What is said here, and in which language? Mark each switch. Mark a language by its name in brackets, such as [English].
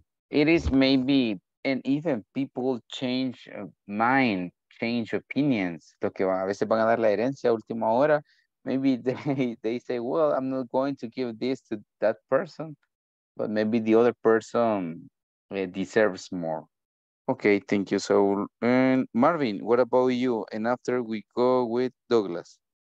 [English] It is maybe, and even people change mind, change opinions. [Spanish] Lo que a veces van a dar la herencia a última hora. [English] Maybe they say, well, I'm not going to give this to that person. But maybe the other person deserves more. Okay, thank you, Saul. And Marvin, what about you? And after we go with Douglas.